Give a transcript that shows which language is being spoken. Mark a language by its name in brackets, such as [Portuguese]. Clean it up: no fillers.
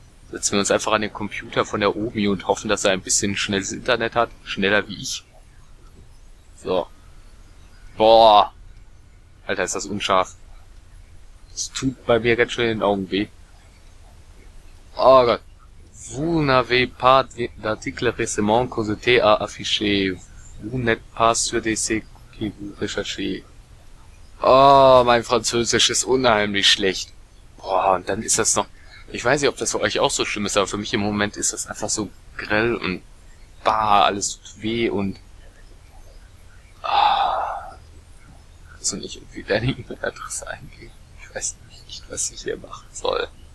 [German] Setzen wir uns einfach an den Computer von der Omi und hoffen, dass er ein bisschen schnelles Internet hat. Schneller wie ich. So. Boah. Alter, ist das unscharf. Das tut bei mir ganz schön in den Augen weh. Oh Gott. [French] Vous n'avez pas d'article récemment consulté à afficher. Vous n'êtes pas sur des sites que vous recherchez. [German] Oh, mein Französisch ist unheimlich schlecht. Boah, und dann ist das noch... Ich weiß nicht, ob das für euch auch so schlimm ist, aber für mich im Moment ist das einfach so grell und bah, alles tut weh und... Kannst du nicht irgendwie deine E-Mail-Adresse eingeben? Ich weiß nicht, was ich hier machen soll.